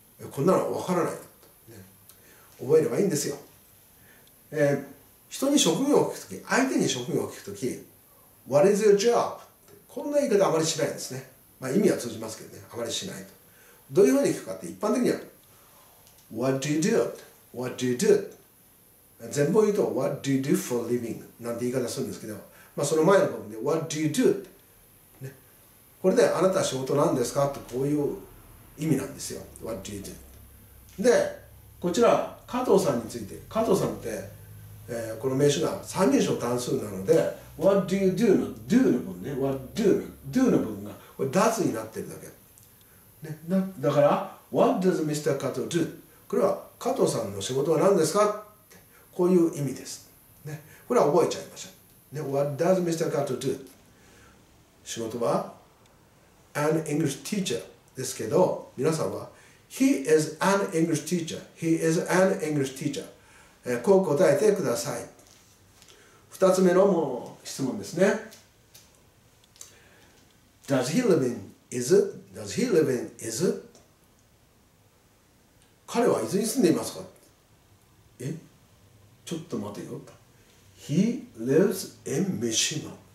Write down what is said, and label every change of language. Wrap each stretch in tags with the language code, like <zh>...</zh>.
<ja>こんなのわからない、ね、覚えればいいんですよ。人に職業を聞くとき、相手に職業を聞くとき</ja> <en>What is your job?</en> <ja>こんな言い方あまりしないんですね。まあ、意味は通じますけどね、あまりしないと。どういうふうに聞くかって一般的には</ja> <en>What do you do? What do you do?</en> <ja>全部言うと</ja> <en>What do you do for living?</en> <ja>なんて言い方するんですけど、まあ、その前の部分で</ja> <en>What do you do?、</en> <ja>ね、これであなたは仕事なんですかってこういう意味なんですよ。</ja> <en>What do you do?</en> <ja>でこちら加藤さんについて、加藤さんって、この名詞が三人称単数なので</ja> <en>What do you do?</en> <ja>の do の部分ね、</ja> <en>What do?</en> <ja>の do の部分がこれ does になってるだけね、だから</ja> <en>What does Mr. Kato do?</en> <ja>これは加藤さんの仕事は何ですかってこういう意味です、ね、これは覚えちゃいましょう、ね、</ja> <en>What does Mr. Kato do?</en> <ja>仕事は</ja> <en>An English teacher</en> <ja>ですけど、皆さんは</ja> <en>He is an English teacher. He is an English teacher.</en> <ja>こう答えてください。 2つ目のもう質問ですね。</ja> <en>Does he live in Izu? Does he live in Izu?</en> <ja>彼は伊豆に住んでいますか？え？ちょっと待てよ。</ja> <en>He lives in Mishima.</en>